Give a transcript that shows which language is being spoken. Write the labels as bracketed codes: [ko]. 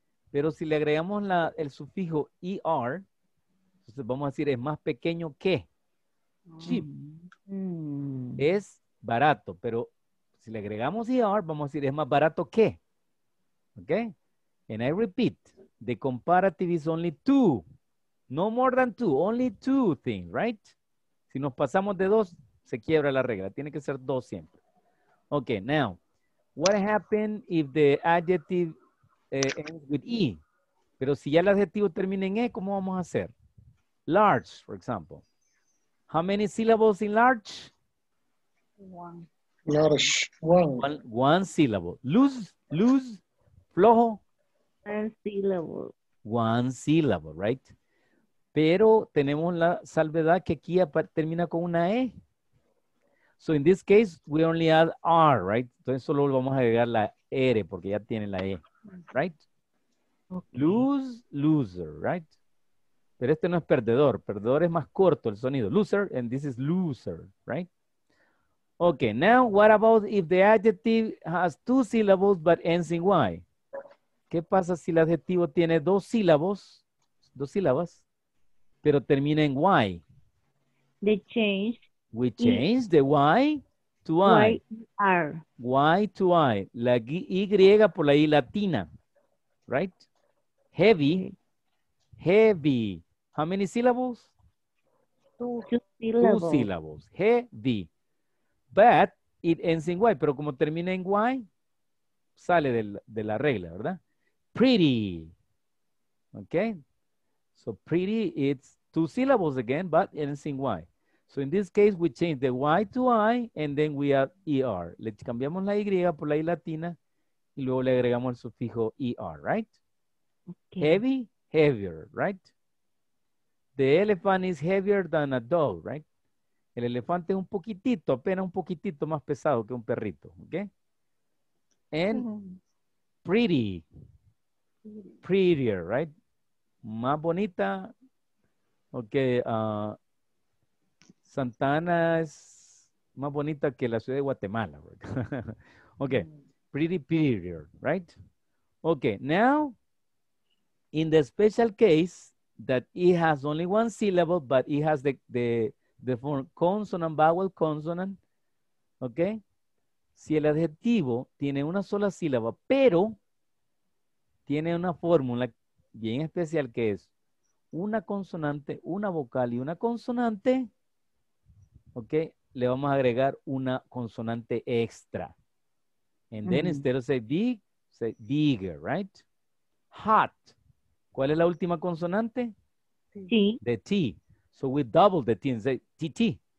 [es] Pero si le agregamos el sufijo er, entonces vamos a decir es más pequeño que cheap. Es barato, pero si le agregamos er, vamos a decir es más barato que. [en] Okay? And I repeat, the comparative is only two. No more than two, only two things, right? [es] Si nos pasamos de dos, Se quiebra la regla. Tiene que ser dos siempre. [en] Okay, now, what happened if the adjective ends with E? [es] Pero si ya el adjetivo termina en E, ¿cómo vamos a hacer? [en] Large, for example. How many syllables in large? One. Large. One. One syllable. Loose, loose, flojo. One syllable. One syllable, right? [es] Pero tenemos la salvedad que aquí termina con una E. [en] So in this case, we only add R, right? [es] Entonces solo vamos a agregar la R porque ya tiene la E, right? [en] Okay. Lose, loser, right? [es] Pero este no es perdedor. Perdedor es más corto el sonido. [en] Loser, and this is loser, right? Okay, now what about if the adjective has two syllables but ends in Y? [es] ¿Qué pasa si el adjetivo tiene dos sílabas, pero termina en Y? [en] They change. We change the Y to I. Y-R. Y to I. [es] La Y por la I latina, [en] right? Heavy. Heavy. How many syllables? Two syllables. Two syllables. Heavy. But it ends in Y. [es] Pero como termina en Y, sale de la regla, ¿verdad? [en] Pretty. Okay? So pretty, it's two syllables again, but ends in Y. So in this case, we change the Y to I, and then we add ER. [es] Le cambiamos la Y por la I latina, y luego le agregamos el sufijo ER, right? Okay. [en] Heavy, heavier, right? The elephant is heavier than a dog, right? [es] El elefante es un poquitito, apenas un poquitito más pesado que un perrito, okay? [en] And pretty, prettier, right? [es] Más bonita, okay, Santa Ana es más bonita que la ciudad de Guatemala. [en] Okay, pretty period, right? Okay, now, in the special case that it has only one syllable, but it has the form consonant, vowel, consonant, okay? [es] Si el adjetivo tiene una sola sílaba, pero tiene una fórmula bien especial que es una consonante, una vocal y una consonante, okay, le vamos a agregar una consonante extra. [en] And then instead of say big, say bigger, right? [es] Hot. ¿Cuál es la última consonante? [en] T. The T. So we double the T and say TT.